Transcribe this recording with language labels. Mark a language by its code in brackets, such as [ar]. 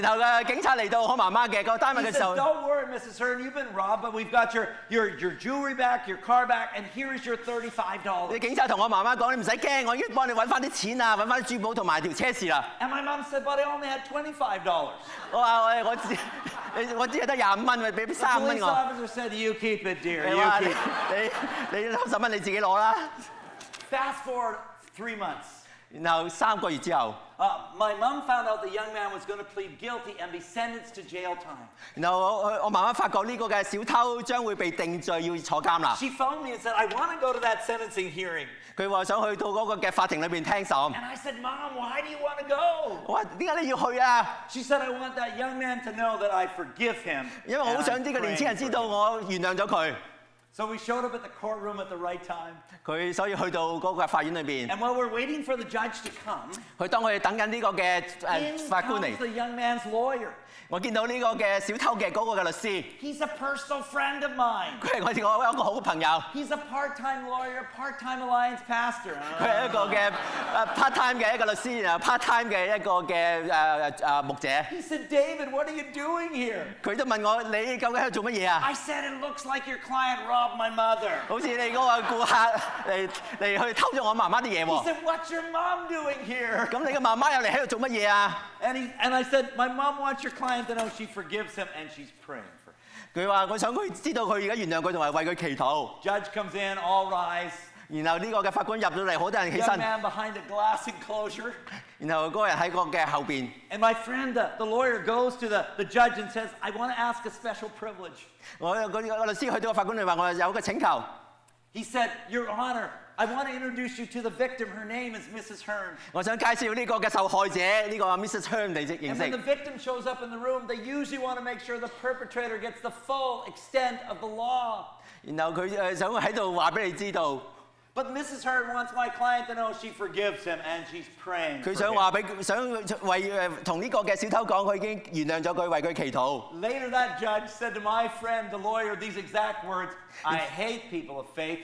[yue] 然後嘅警察嚟到我媽媽嘅個單位嘅時候 [en] ，He says, "Don't worry, Mrs. Hearn. You've been robbed, but we've got your jewelry back, your car back, and here is your $35." [yue] 警察同我媽媽講：你唔使驚，我已經幫你揾翻啲錢啊，揾翻啲珠寶同埋條車匙啦。 [en] And my mom said, "But I only had $25." [yue] 我話我只係得25蚊，俾三蚊我。 [en] The police officer said, "You keep it, dear. You keep it." [yue] 你30蚊你自己攞啦。 [en] Fast forward 3 months. [yue] 然後三個月之後 [en] ，My mom found out the young man was going to plead guilty and be sentenced to jail time. [yue] 然後我媽媽發覺呢個嘅小偷將會被定罪要坐監啦。 [en] She phoned me and said, "I want to go to that sentencing hearing." [yue] 佢話想去到嗰個嘅法庭裏邊聽審。 [en] And I said, "Mom, why do you want to go?" [yue] 我話點解你要去啊 [en] ？She said, "I want that young man to know that I forgive him." [yue] 因為我好想呢個年輕人知道我原諒咗佢。 [en] So we showed up at the courtroom at the right time. [yue] 佢所以去到嗰個法院裏邊。 [en] And while we're waiting for the judge to come, [yue] 佢當佢等緊呢個嘅法官嚟。 [en] In comes the young man's lawyer. [yue] 我見到呢個嘅小偷嘅嗰個嘅律師。 [en] He's a personal friend of mine. [yue] 佢係我一個好嘅朋友。 [en] He's a part-time lawyer, part-time Alliance pastor. [yue] 佢係一個嘅part-time 嘅一個律師，然後part-time 嘅一個嘅牧者。 [en] He said, "David, what are you doing here?" [yue] 佢都問我：你究竟喺度做乜嘢啊 [en] ？I said, "It looks like your client robbed." My mother. [yue] 好似你嗰個顧客嚟去偷咗我媽媽啲嘢喎。 [en] He said, "What's your mom doing here?" [yue] 咁你嘅媽媽又嚟喺度做乜嘢啊 [en] ？And I said, "My mom wants your client to know she forgives him and she's praying for him." [yue] 佢話：我想佢知道佢而家原諒佢，同埋為佢祈禱。 [en] Judge comes in, all rise. [yue] 然後呢個嘅法官入咗嚟，好多人起身。 [en] Young man behind a glass enclosure. [yue] 然後嗰個人喺個嘅後邊。 [en] And my friend, the lawyer, goes to the judge and says, "I want to ask a special privilege." [yue] 我律師去到個法官嚟話，我有個請求。 [en] He said, "Your Honor, I want to introduce you to the victim. Her name is Mrs. Hearn." [yue] 我想介紹呢個嘅受害者，呢個 Mrs. Hearn 嚟認識。 [en] And when the victim shows up in the room, they usually want to make sure the perpetrator gets the full extent of the law. [yue] 然後佢想喺度話俾你知道。 [en] But Mrs. Hearn wants my client to know she forgives him and she's praying. [yue] 佢想話俾想為同呢個嘅小偷講，佢已經原諒咗佢，為佢祈禱。 [en] Later that judge said to my friend, the lawyer, these exact words: "I hate people of faith.